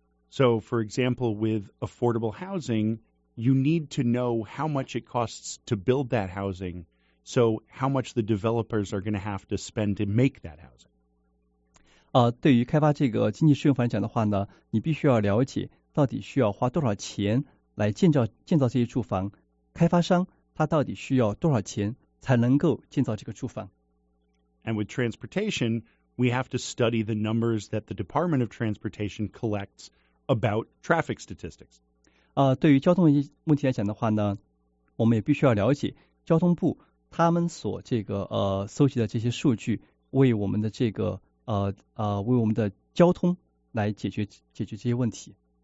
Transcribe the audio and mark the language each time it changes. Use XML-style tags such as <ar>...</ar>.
<en>So, for example, with affordable housing, you need to know how much it costs to build that housing, so how much the developers are going to have to spend to make that housing.</en> <zh>对于开发这个经济适用房来讲的话呢，你必须要了解到底需要花多少钱来建造这些住房，开发商他到底需要多少钱才能够建造这个住房。</zh> <en>And with transportation, we have to study the numbers that the Department of Transportation collects. About traffic statistics.</en> <zh>对于交通问题来讲的话呢，我们也必须要了解交通部他们所这个搜集的这些数据，为我们的这个为我们的交通来解决这些问题。</zh>